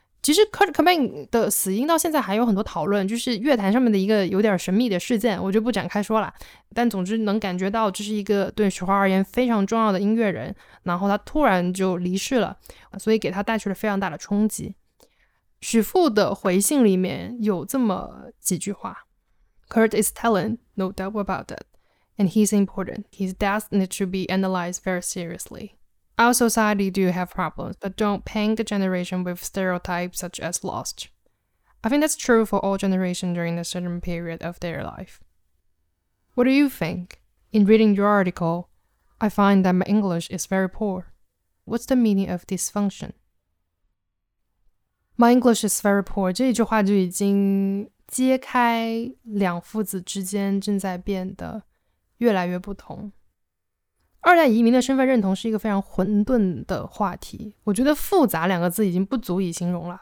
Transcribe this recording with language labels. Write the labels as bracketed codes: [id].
[zh] 其实 Kurt Cobain 的死因到现在还有很多讨论，就是乐坛上面的一个有点神秘的事件，我就不展开说了。但总之能感觉到这是一个对许华而言非常重要的音乐人，然后他突然就离世了，所以给他带去了非常大的冲击。许父的回信里面有这么几句话： [en] Kurt is talent, no doubt about that, and he's important. His death needs to be analyzed very seriously. Our society do have problems, but don't paint the generation with stereotypes such as lost. I think that's true for all generations during a certain period of their life. What do you think? In reading your article, I find that my English is very poor. What's the meaning of dysfunction? My English is very poor. [zh] 这一句话就已经揭开两父子之间正在变得越来越不同。二代移民的身份认同是一个非常混沌的话题，我觉得复杂两个字已经不足以形容了。